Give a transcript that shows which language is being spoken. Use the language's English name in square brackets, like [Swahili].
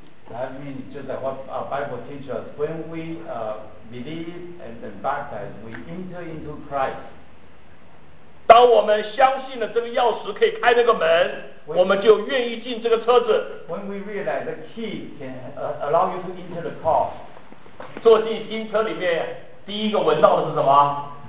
[English] That means just like what our Bible teaches When we believe and then baptize We enter into Christ [Chinese] 当我们相信了这个钥匙可以开那个门我们就愿意进这个车子 [English] When we realize the key can allow you to enter the car [Chinese] 坐进新车里面第一个闻到的是什么